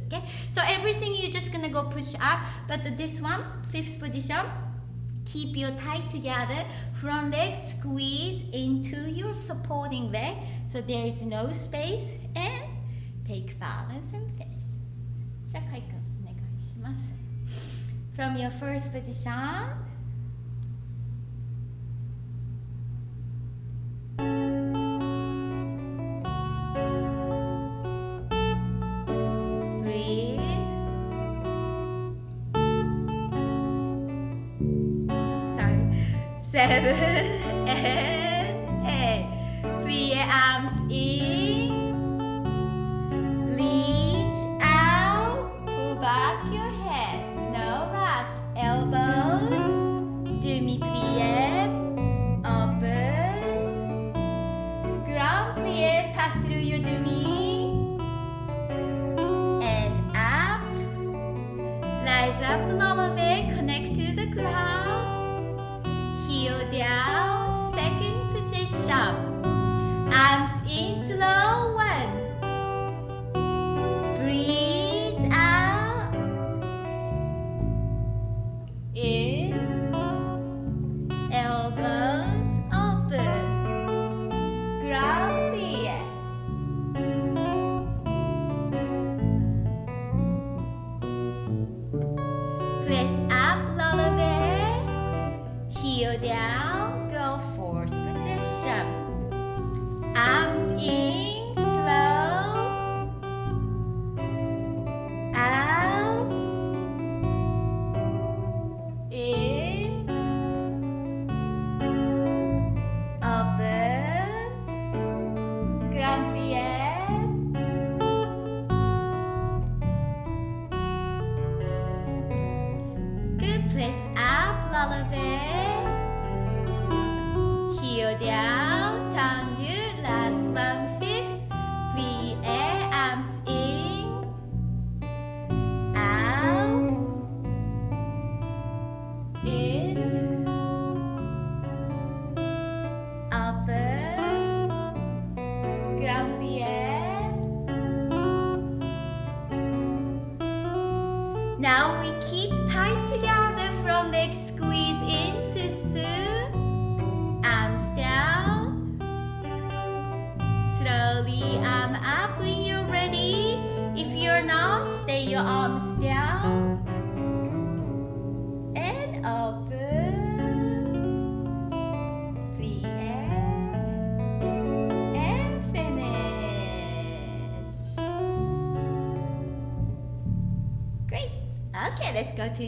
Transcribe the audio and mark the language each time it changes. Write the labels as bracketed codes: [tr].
[en] Okay, so everything you're just gonna go push up, but this one, fifth position, keep your thigh together, front leg squeeze into your supporting leg, so there is no space, and take balance and finish. [ja] じゃあ、かいくん、お願いします。 [en] From your first position,to